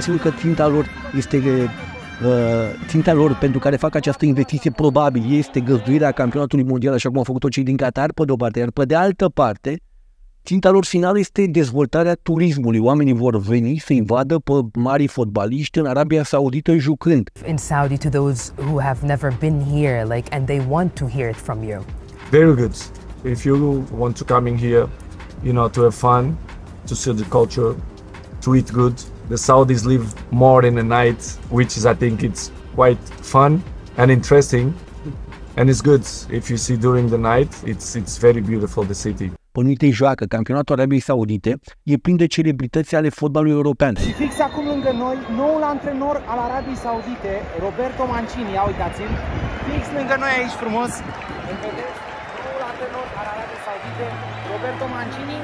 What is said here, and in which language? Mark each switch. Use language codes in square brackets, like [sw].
[ro] Sigur că ținta lor este... ținta lor pentru care fac această investiție probabil este găzduirea campionatului mondial, așa cum au făcut-o cei din Qatar, pe de-o parte, iar pe de altă parte, ținta lor finală este dezvoltarea turismului. Oamenii vor veni să-i vadă pe mari fotbaliști în Arabia Saudită jucând. [en] In Saudi, to those who have never been here, like, and they want to hear it from you. Very good. If you want to come in here, you know, to have fun, to see the culture, to eat good, the Saudis live more in the night, which is, I think, it's quite fun and interesting. And it's good if you see during the night, it's very beautiful, the city. [ro] Pănuitei joacă campionatul Arabiei Saudite, e plin de celebrități ale fotbalului european. Și fix acum lângă noi, noul antrenor al Arabiei Saudite, Roberto Mancini, ia uitați-l, fix lângă noi aici frumos. Roberto Mancini.